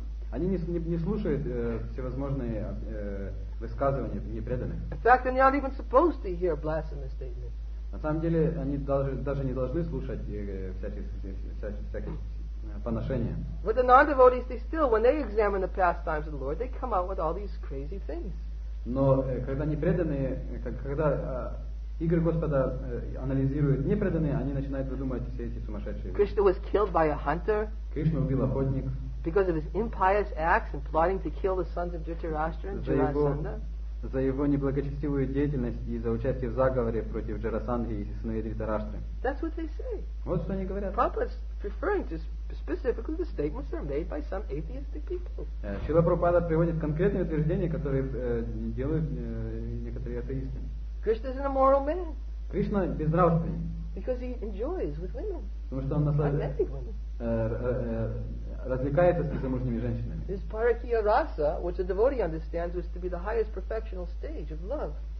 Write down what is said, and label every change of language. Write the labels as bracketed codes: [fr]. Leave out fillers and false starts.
[ru] Они не слушают всевозможные высказывания непреданных. [en] In fact, they're not even supposed to hear blasphemous statements. [ru] На самом деле, они даже не должны слушать всякие поношения. [en] With the non-devotees, they still, when they examine the pastimes of the Lord, they come out with all these crazy things. [ru] Но когда непреданные, когда игры Господа анализируют непреданные, они начинают выдумывать все эти сумасшедшие. [en] Krishna was killed by a hunter. [ru] Кришна убил охотник. [en] Because of his impious acts and plotting to kill the sons of Dhritarashtra and Jarasandha. [ru] За его неблагочестивую деятельность и за участие в заговоре против Джарасандхи и сыновей Дхритарашты. [en] That's what they say. [ru] Вот что они говорят. [en] Prabhupada's referring to specifically the statements that are made by some atheistic people. [ru] Шрила Прабхупада приводит конкретные утверждения, которые делают некоторые атеисты. [en] Krishna is an immoral man. [ru] Кришна безнравственный. [en] Because he enjoys with women. [ru] Потому что он развлекается с незамужними женщинами. [en] This parakiya rasa, which a devotee understands, was to be the highest perfectional stage of love.